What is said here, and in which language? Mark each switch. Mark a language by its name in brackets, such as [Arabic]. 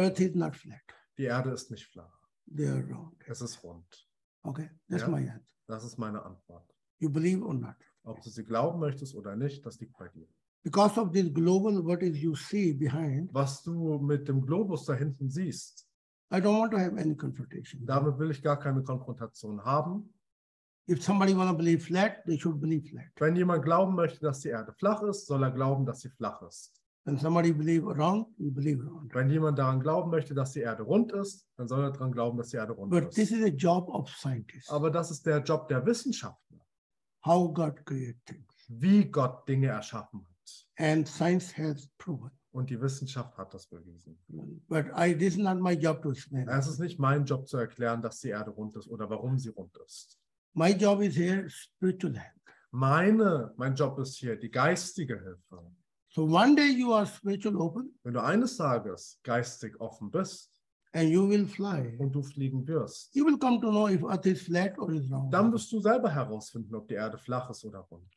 [English] Earth is not flat. [German] Die Erde ist nicht flach. [English] They are wrong. [German] Es ist rund. [English] Okay, that's my answer. [German] Das ist meine Antwort. [English] You believe or not? [German] Ob du sie glauben möchtest oder nicht, das liegt bei dir. [English] Because of this global, what is you see behind? [German] Was du mit dem Globus da hinten siehst. [English] I don't want to have any confrontation. [German] Damit will ich gar keine Konfrontation haben. [English] If somebody wanna believe flat, they should believe flat. [German] Wenn jemand glauben möchte, dass die Erde flach ist, soll er glauben, dass sie flach ist. [English] When somebody believe wrong, you believe wrong. [German] Wenn jemand daran glauben möchte, dass die Erde rund ist, dann soll er daran glauben, dass die Erde rund [English] But [German] ist. [English] But this is the job of scientists. [German] Aber das ist der Job der Wissenschaftler. [English] How God created things. [German] Wie Gott Dinge erschaffen hat. [English] And science has proven. [German] Und die Wissenschaft hat das bewiesen. [English] But I, this is not my job to explain. [German] Es ist nicht mein Job zu erklären, dass die Erde rund ist oder warum sie rund ist. [English] My job is here, spiritual help. [German] Mein Job ist hier, die geistige Hilfe. [English] So one day you are spiritual open. [German] Wenn du eines Tages geistig offen bist, [English] and you will fly. [German] Und du fliegen wirst. [English] You will come to know if Earth is flat or is round. [German] Dann wirst du selber herausfinden, ob die Erde flach ist oder rund.